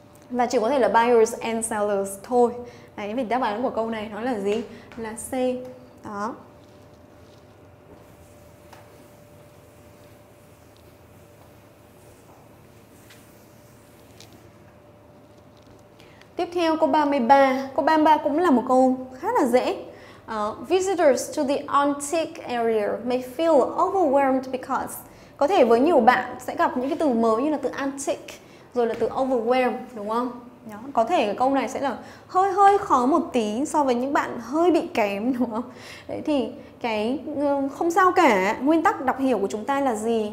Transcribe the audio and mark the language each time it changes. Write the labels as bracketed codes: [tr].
[vi] Và chỉ có thể là [en] buyers and sellers [vi] thôi. Đấy, vì đáp án của câu này nó là gì? Là C. Đó. Tiếp theo câu 33. Câu 33 cũng là một câu khá là dễ. [en] Visitors to the antique area may feel overwhelmed because. [vi] Có thể với nhiều bạn sẽ gặp những cái từ mới như là từ antique rồi là từ overwhelmed, đúng không? Đó. Có thể cái câu này sẽ là hơi hơi khó một tí so với những bạn hơi bị kém, đúng không? Đấy thì cái không sao cả, nguyên tắc đọc hiểu của chúng ta là gì?